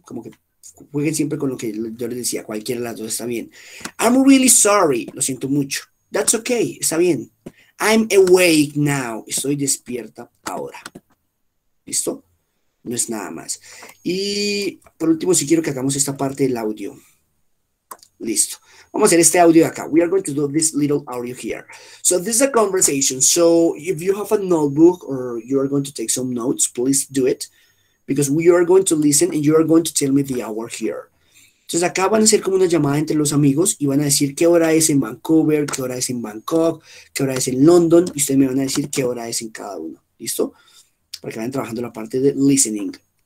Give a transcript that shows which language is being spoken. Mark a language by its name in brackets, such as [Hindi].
[Spanish] Como que jueguen siempre con lo que yo les decía, cualquiera de las dos está bien. [English] I'm really sorry, [Spanish] lo siento mucho. [English] That's okay, [Spanish] está bien. [English] I'm awake now, [Spanish] estoy despierta ahora. ¿Listo? No es nada más. Y por último, si quiero que hagamos esta parte del audio. Listo. Vamos a hacer este audio acá. [English] We are going to do this little audio here. So this is a conversation. So if you have a notebook or you are going to take some notes, please do it. Because we are going to listen and you are going to tell me the hour here. [Spanish] Entonces acá van a hacer como una llamada entre los amigos y van a decir qué hora es en Vancouver, qué hora es en Bangkok, qué hora es en London. Y ustedes me van a decir qué hora es en cada uno. ¿Listo? Para que vayan trabajando la parte de listening.